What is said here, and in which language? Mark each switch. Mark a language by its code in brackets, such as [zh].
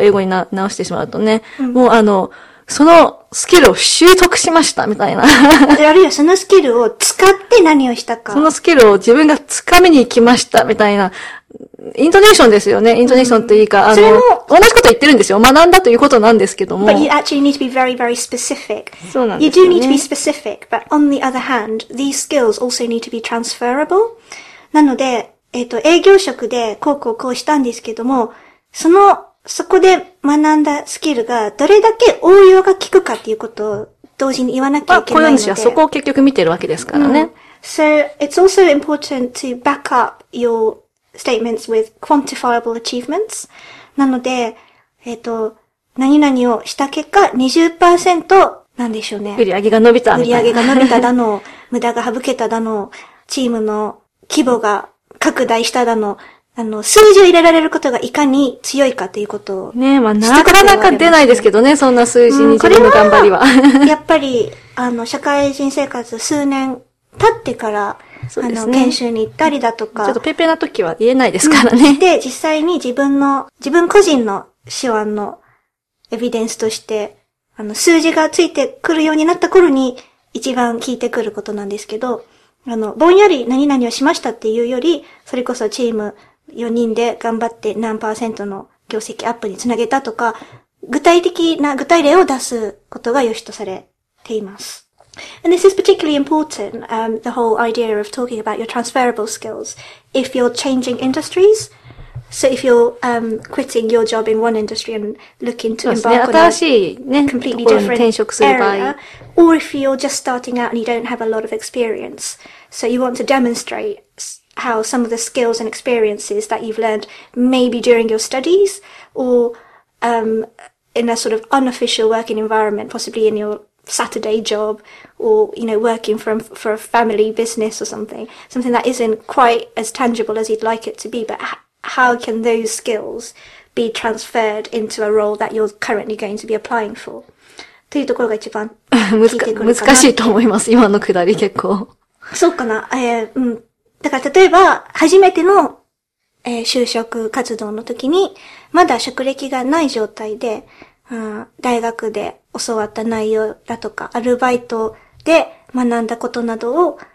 [ja] 英語に直してしまうとね。うん、もうそのスキルを習得しましたみたいな。あるいはそのスキルを使って何をしたか。そのスキルを自分が掴みに行きましたみたいな。イントネーションですよね。イントネーションっていいか、うん、それも同じこと言ってるんですよ。学んだということなんですけども。 [en] But you actually need to be very, very specific. [ja] そうなんですよね。 [en] You do need to be specific, but on the other hand, these skills also need to be transferable. [ja] なので、営業職でこうこうこうしたんですけども、そこで学んだスキルがどれだけ応用が効くかっていうことを同時に言わなきゃいけないので、雇用主はそこを結局見てるわけですからね。うん、 [en] so it's also important to back up your statements with quantifiable achievements. [ja] なので、何々をした結果 20% なんでしょうね。売上が伸びたみたいな。売上が伸びただの、無駄が省けただの、チームの規模が拡大しただの。数字を入れられることがいかに強いかということをね。ねえ、まあ、なかなか出ないですけどね、そんな数字に自分の頑張りは。うん、これはやっぱり、社会人生活数年経ってから、そうですね、研修に行ったりだとか。ちょっとペペな時は言えないですからね。うん、で、実際に自分個人の手腕のエビデンスとして、数字がついてくるようになった頃に、一番聞いてくることなんですけど、ぼんやり何々をしましたっていうより、それこそチーム、4人で頑張って何パーセントの業績アップにつなげたとか、具体例を出すことが良しとされています。 [en] And this is particularly important, the whole idea of talking about your transferable skills if you're changing industries. So if you're, quitting your job in one industry and looking to embark on a completely different area, or if you're just starting out and you don't have a lot of experience, so you want to demonstrate how some of the skills and experiences that you've learned maybe during your studies or in a sort of unofficial working environment, possibly in your Saturday job, or, you know, working for a family business or something, something that isn't quite as tangible as you'd like it to be, but how can those skills be transferred into a role that you're currently going to be applying for? [ja] というところが一番聞いてくるかな。難しいと思います、今のくだり結構。そうかな、うん。だから例えば、初めての、就職活動の時に、まだ職歴がない状態で、大学で教わった内容だとか、アルバイトで学んだことなどを